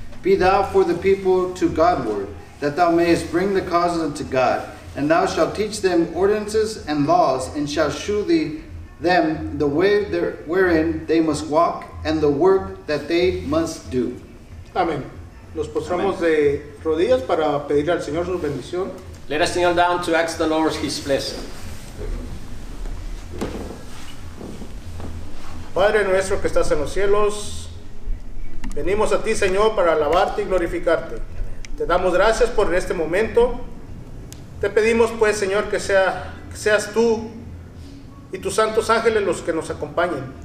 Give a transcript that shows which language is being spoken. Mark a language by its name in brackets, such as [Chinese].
[English] Be thou for the people to Godward, that thou mayest bring the causes unto God, and thou shalt teach them ordinances and laws, and shalt shew thee them the way wherein they must walk, and the work that they must do. [Spanish] Amén. Nos postramos de rodillas para pedir al Señor su bendición. [English] Let us kneel down to ask the Lord his blessing. [Spanish] Padre nuestro que estás en los cielos, venimos a ti, Señor, para alabarte y glorificarte. Te damos gracias por este momento. Te pedimos, pues, Señor, que seas tú y tus santos ángeles los que nos acompañen.